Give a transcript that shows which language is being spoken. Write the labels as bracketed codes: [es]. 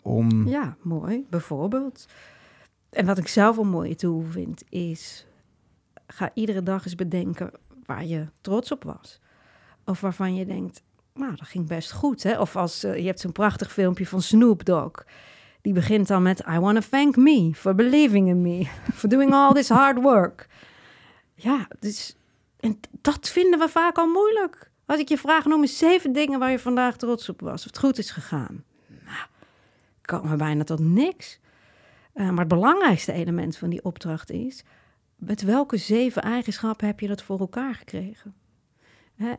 [nl] Om... Ja, mooi. Bijvoorbeeld. En wat ik zelf een mooie toe vind is, ga iedere dag eens bedenken waar je trots op was. Of waarvan je denkt, nou, dat ging best goed. Hè? Of als je hebt zo'n prachtig filmpje van Snoop Dogg. Die begint dan met, [en] I want to thank me for believing in me. For doing all this hard work. [nl] Ja, dus, en dat vinden we vaak al moeilijk. Als ik je vraag, noem eens 7 dingen waar je vandaag trots op was. Of het goed is gegaan. Nou, komen we bijna tot niks. Maar het belangrijkste element van die opdracht is, met welke 7 eigenschappen heb je dat voor elkaar gekregen? Hè?